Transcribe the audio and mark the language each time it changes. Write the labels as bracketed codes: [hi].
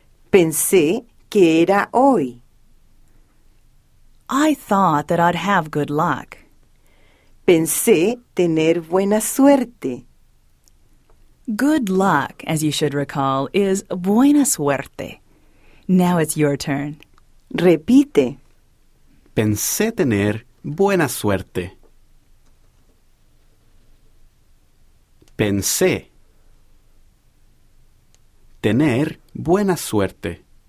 [es] Pensé que era hoy. [en] I thought that I'd have good luck. [es] Pensé tener buena suerte. [en] Good luck, as you should recall, is [es] buena suerte. [en] Now it's your turn. [es] Repite. Pensé tener buena suerte. Pensé tener buena suerte.